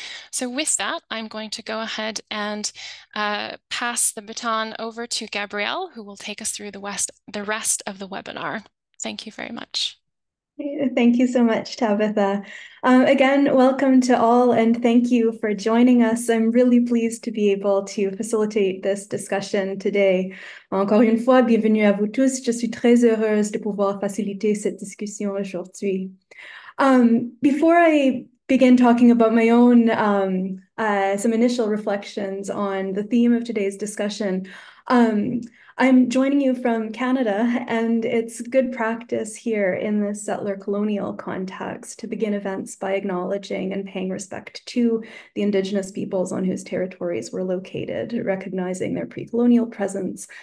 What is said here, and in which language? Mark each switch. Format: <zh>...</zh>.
<en>So with that, I'm going to go ahead and pass the baton over to Gabrielle, who will take us through the rest of the webinar. Thank you very much. Thank you so much, Tabitha. Again, welcome to all, and thank you for joining us. I'm really pleased to be able to facilitate this discussion today.</en> <fr>Encore une fois, bienvenue à vous tous. Je suis très heureuse de pouvoir faciliter cette discussion aujourd'hui.</fr> <en>Before I begin talking about my own, some initial reflections on the theme of today's discussion, I'm joining you from Canada, and it's good practice here in the settler colonial context to begin events by acknowledging and paying respect to the Indigenous peoples on whose territories we're located, recognizing their pre-colonial presence,</en>